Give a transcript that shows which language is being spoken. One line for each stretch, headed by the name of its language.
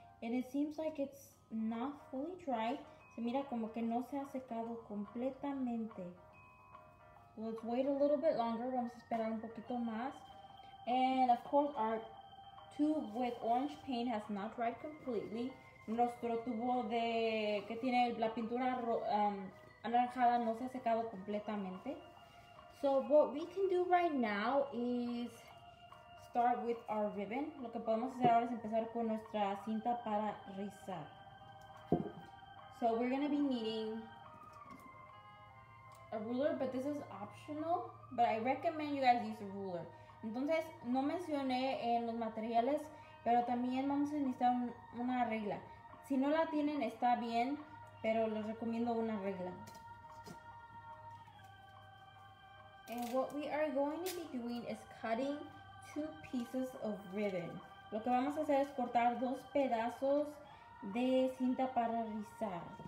English: And it seems like it's not fully dry.
Spanish: Se mira como que no se ha secado completamente.
English: Let's wait a little bit longer.
Spanish: Vamos a esperar un poquito más.
English: And of course, our tube with orange paint has not dried completely.
Spanish: Nuestro tubo de que tiene la pintura anaranjada no se ha secado completamente.
English: So what we can do right now is start with our ribbon.
Spanish: Lo que podemos hacer ahora es empezar con nuestra cinta para rizar.
English: So we're going to be needing a ruler, but this is optional, but I recommend you guys use a ruler.
Spanish: Entonces, no mencioné en los materiales, pero también vamos a necesitar una regla. Si no la tienen, está bien, pero les recomiendo una regla.
English: And what we are going to be doing is cutting two pieces of ribbon.
Spanish: Lo que vamos a hacer es cortar dos pedazos de cinta para rizar.